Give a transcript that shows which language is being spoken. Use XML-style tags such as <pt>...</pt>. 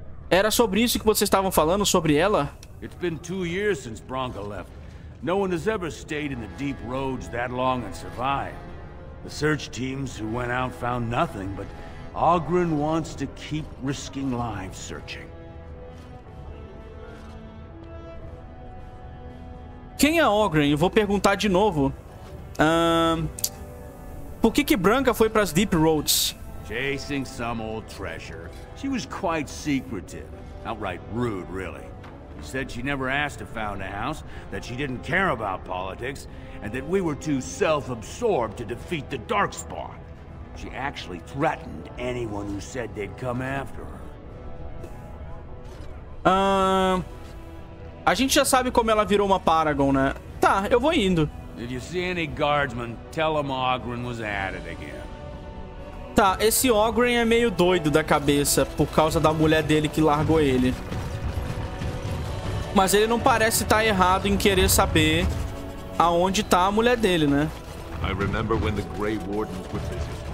<pt>Era sobre isso que vocês estavam falando, sobre ela?</pt> <en>It's been 2 years since Bronca left. No one has ever stayed in the Deep Roads that long and survived. The search teams who went out found nothing, but Ogryn wants to keep risking lives searching.</en> <pt>Quem é Ogryn? Eu vou perguntar de novo. Por que que Branca foi para as Deep Roads?</pt> <en>Chasing some old treasure. She was quite secretive. Outright rude, really. She said she never asked to found a house, that she didn't care about politics, and that we were too self-absorbed to defeat the Darkspawn. She actually threatened anyone who said they'd come after her.</en> <pt>A gente já sabe como ela virou uma Paragon, né? Tá, eu vou indo.</pt> <en>Did you see any guardsmen? Tell them Ogryn was at it again.</en> <pt>Tá, esse Ogryn é meio doido da cabeça por causa da mulher dele que largou ele. Mas ele não parece estar errado em querer saber aonde tá a mulher dele, né?</pt> <en>I remember when the Grey Wardens were busy.</en>